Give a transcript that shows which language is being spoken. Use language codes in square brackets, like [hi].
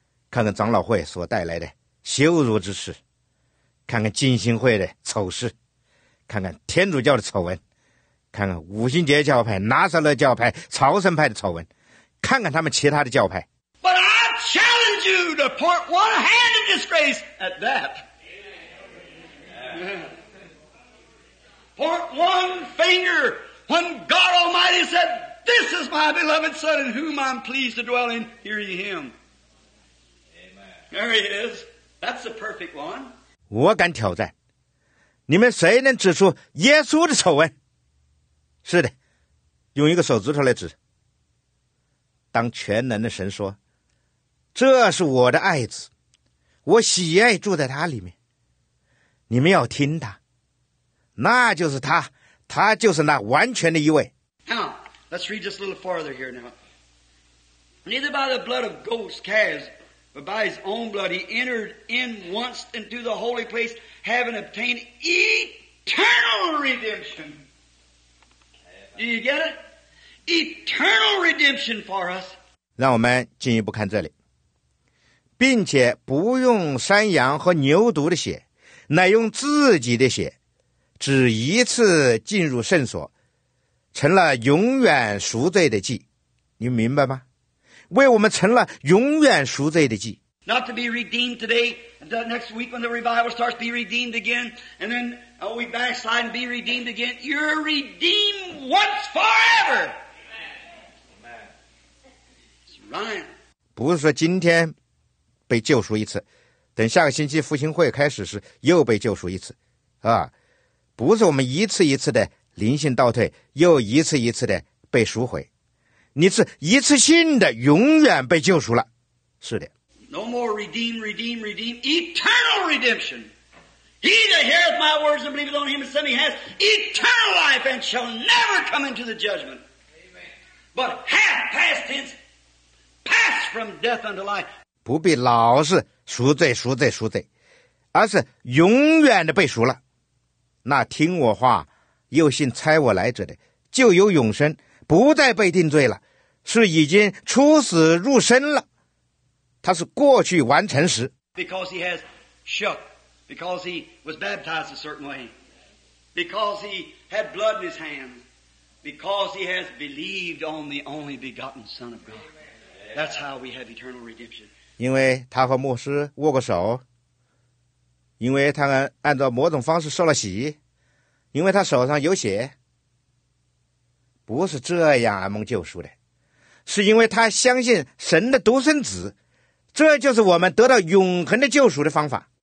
[zh] 看看长老会所带来的羞辱之事，看看浸信会的丑事，看看天主教的丑闻，看看五旬节教派、拿撒勒教派、朝圣派的丑闻，看看他们其他的教派。 [en] But I challenge you to point one hand of disgrace at that. Point one finger when God Almighty said, "This is my beloved Son, in whom I'm pleased to dwell in." Hear ye him. Amen. There he is. That's the perfect one. [zh] 我敢挑战，你们谁能指出耶稣的丑闻？是的，用一个手指头来指。当全能的神说，这是我的爱子，我喜爱住在他里面，你们要听他，那就是他，他就是那完全的一位。 [en] Now let's read just a little farther here now. Neither by the blood of goats, calves, but by his own blood he entered in once into the holy place, having obtained eternal redemption. Do you get it? Eternal redemption for us. [zh] 让我们进一步看这里，并且不用山羊和牛犊的血，乃用自己的血，只一次进入圣所，成了永远赎罪的祭。你明白吗？为我们成了永远赎罪的祭。 [en] Not to be redeemed today, the next week when the revival starts, be redeemed again, and then we backslide and be redeemed again. You're redeemed once forever. It's right. [zh] 不是说今天被救赎一次，等下个星期复兴会开始时又被救赎一次，啊，不是我们一次一次的灵性倒退，又一次一次的被赎回，你是一次性的永远被救赎了，是的。 [en] No more redeem, redeem, redeem. Eternal redemption. He that heareth my words and believeth on him and sent me has eternal life and shall never come into the judgment. But hath past tense, passed from death unto life. [zh] 不必老是赎罪赎罪赎罪，而是永远的被赎了，那听我话又信差我来者的就有永生，不再被定罪了，是已经出死入生了，他是过去完成时。 [en] Because he has shook, because he was baptized a certain way, because he had blood in his hand, because he has believed on the only begotten Son of God. That's how we have eternal redemption. [zh] 因为他和牧师握过手，因为他按照某种方式受了洗，因为他手上有血，不是这样蒙救赎的，是因为他相信神的独生子，这就是我们得到永恒的救赎的方法。